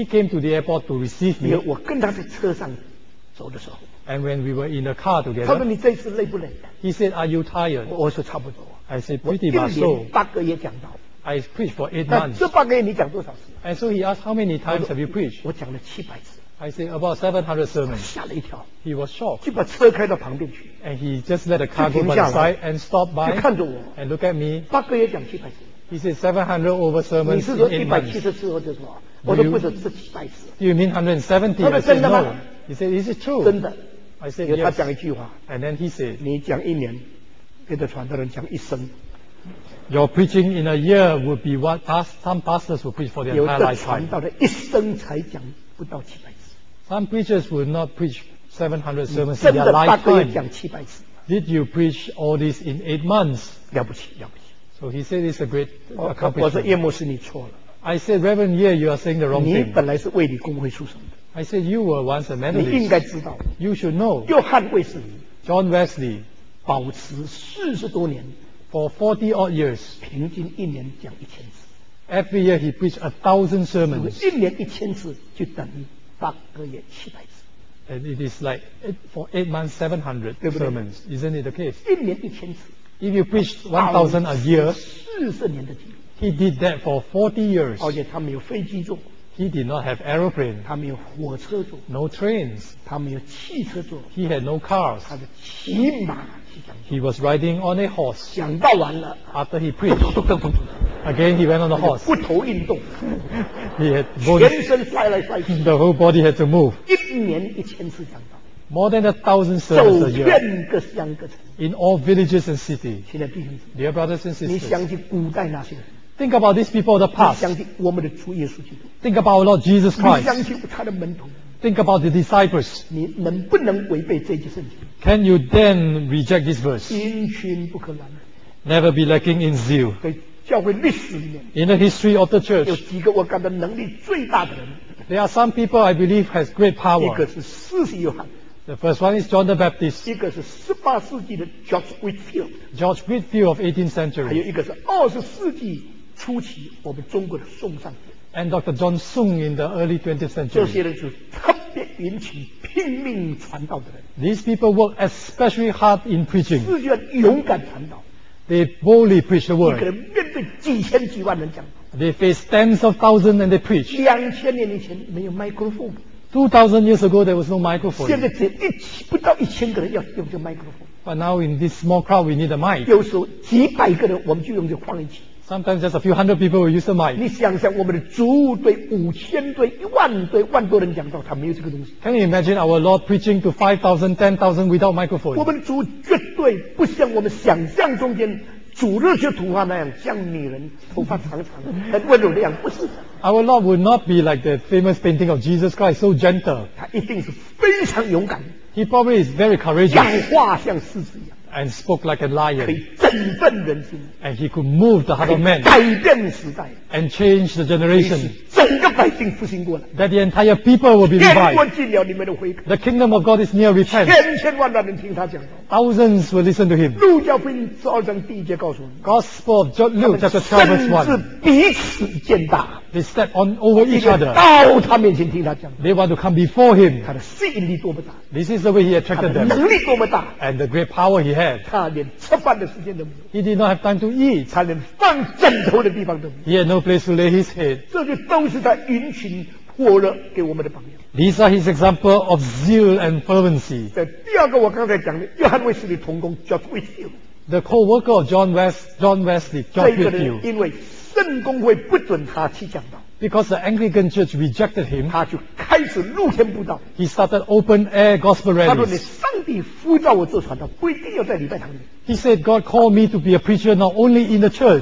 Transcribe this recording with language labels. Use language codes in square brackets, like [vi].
[en] He came to the airport to receive me. [zh] 我跟他在车上。走的时候 [en] ，And when we were in the car together， [zh] 他说你这次累不累 [en] ？He said, Are you tired？ [zh] 我说差不多。 [en] I said, Pretty much so。 [zh] 八个月讲道。 [en] I preached for 8 months。 [zh] 这八个月你讲多少次 [en] ？And so he asked, How many times have you preached？ [zh] 我讲了七百次。 [en] I said, About 700 sermons。 [zh] 吓了一跳。 [en] He was shocked。 [zh] 就把车开到旁边去。 [en] And he just let the car go by the side and stop by。 [zh] 就看着我。 [en] And look at me。 [zh] 八个月讲七百次。 [en] He said, 700 over sermons。 [zh] 你是说170次或者什么？我说不是，是七百次。 [en] You mean 170？ [zh] 他说真的吗？ [en] He said, "Is it true?" [zh] 真的。 [en] I said, "Yes." [zh] 他讲一句话。 [en] And then he said, [zh] 你讲一年，别的传道人讲一生。 [en] Your preaching in a year would be what some pastors would preach for their entire lifetime. [zh] 有的传道人一生才讲不到七百次。 [en] Some preachers would not preach 700 sermons in their lifetime. [zh] 真的八个月讲七百次。 [en] Did you preach all this in 8 months? [zh] 了不起，了不起。 [en] So he said, "It's a great accomplishment." [zh] 我说叶牧师，你错了。 [en] I said, "Reverend Ye, you are saying the wrong thing." [zh] 你本来是为你公会出生的。 [en] I said you were once a Methodist. [zh] 你应该知道。 [en] You should know. [zh] 约翰卫斯理。 [en] John Wesley. [zh] 保持四十多年。 [en] For 40 odd years. [zh] 平均一年讲一千次。 [en] Every year he preached 1,000 sermons. [zh] 一年一千次就等于八个月七百次。 [en] And it is like for 8 months 700 sermons, isn't it the case? [zh] 一年一千次。 [en] If you preached 1,000 a year. [zh] 四十年的经历。 [en] He did that for 40 years. [zh] 而且他没有飞机坐。 [en] He did not have aeroplane. [zh] 他没有火车坐。 [en] No trains. [zh] 他没有汽车坐。 [en] He had no cars. [zh] 他是骑马去讲道。 [en] He was riding on a horse. [zh] 讲道完了。 [en] After he preached, again he went on the horse. [zh] 骨头运动。 [en] He had [zh] body. 全身摔来摔去。 [en] The whole body had to move. [zh] 一年一千次讲道。 [en] More than 1,000 sermons a year. [zh] 走遍各乡各城。 [en] In all villages and cities. [zh] 亲爱的弟兄姊妹。 [en] Dear brothers and sisters. [zh] 你想起古代那些人。 [en] Think about these people of the past. [zh] 相信我们的主耶稣基督。 [en] Think about Lord Jesus Christ. [zh] 相信他的门徒。 [en] Think about the disciples. [zh] 你能不能违背这句圣经？ [en] Can you then reject this verse? [zh] 殷勤不可懒。 [en] Never be lacking in zeal. [zh] 在教会历史里面。 [en] In the history of the church. [zh] 有几个我感到能力最大的人。 [en] There are some people I believe has great power. [zh] 一个是施洗约翰。 [en] The first one is John the Baptist. [zh] 一个是十八世纪的 George Whitefield. [en] George Whitefield of 18th century. [zh] 还有一个是二十世纪。初期我们中国的宋上帝 [en] and Dr. John Sung in the early 20th century [zh] 这些人就是特别殷勤拼命传道的人 [en] these people work especially hard in preaching [zh] 自愿勇敢传道 [en] they boldly preach the word [zh] 一个人面对几千几万人讲道 [en] they face tens of thousands and they preach [zh] 2000年以前没有 microphone [en] 2000 years ago there was no microphone [zh] 现在只有不到1000个人要用这 microphone [en] but now in this small crowd we need a mic [zh] 有时候几百个人我们就用这扩音器 [en] Sometimes just a few hundred people will use the mic. [zh] 你想想，我们的主对5000对1万对万多人讲道，他没有这个东西。 [en] Can you imagine our Lord preaching to 5,000, 10,000 without microphone? [zh] 我们主绝对不像我们想象中间主日学图画那样，像女人头发长长的很温柔那样，不是。 [en] Our Lord would not be like the famous painting of Jesus Christ, so gentle. [zh] 他一定是非常勇敢。 [en] He probably is very courageous. [zh] 讲话像狮子一样。 [en] and spoke like a lion. [zh] 可以振奋人心。 [en] And he could move the heart of men. [zh] 改变时代。 [en] And change the generation. [zh] 整个百姓复兴过来。 [en] That the entire people will be revived. [zh] 天国进了你们的悔改。 [en] The kingdom of God is near. Repent. [zh] 千千万万人听他讲道。 [en] Thousands will listen to him. [zh] 路加福音十二章第一节告诉我们。 [en] Gospel of John 6 chapter 12 verse 1. [zh] 甚至彼此践踏。 [en] They step on over each other. [zh] 到他面前听他讲。 [en] They want to come before him. [zh] 他的吸引力多么大。 [en] This is the way he attracted them. [zh] 他的能力多么大。 [en] And the great power he had. [zh] 他连吃饭的时间都没有。 [en] He did not have time to eat. [zh] 他连放枕头的地方都没有。 [en] He had no place to lay his head. [zh] 这就都是他殷勤活了给我们的榜样。 [en] These are his example of zeal and fervency. [zh] 在第二个我刚才讲的约翰卫斯理同工 George Whitfield. [en] The co-worker of John Wesley, George Whitfield. [zh] 这个人因为圣公会不准他去讲道。 [en] Because the Anglican Church rejected him, [zh] 他就开始露天布道。 [en] He started open air gospel rallies. [zh] 他说：“你上帝呼召我做传道，不一定要在礼拜堂里。” [en] He said, "God called me to be a preacher, not only in the church."